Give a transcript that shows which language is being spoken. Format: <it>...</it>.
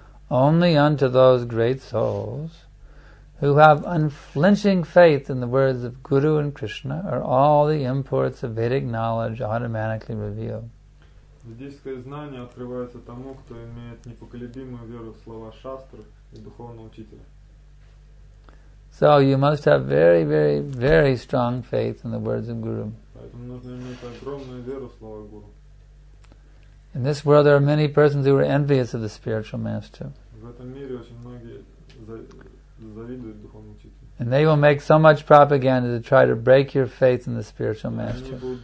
<en>Only unto those great souls who have unflinching faith in the words of Guru and Krishna are all the imports of Vedic knowledge automatically revealed.</en> <ru>Ведическое знание открывается тому, кто имеет непоколебимую веру в слова шастр и духовного учителя.</ru> <en>So you must have very, very, very strong faith in the words of Guru.</en> <ru>Поэтому нужно иметь огромную веру в слова Гуру.</ru> <en>In this world there are many persons who are envious of the spiritual master.</en> <ru>В этом мире очень многие завидуют духовному учителю.</ru> <en>And they will make so much propaganda to try to break your faith in the spiritual master.</en>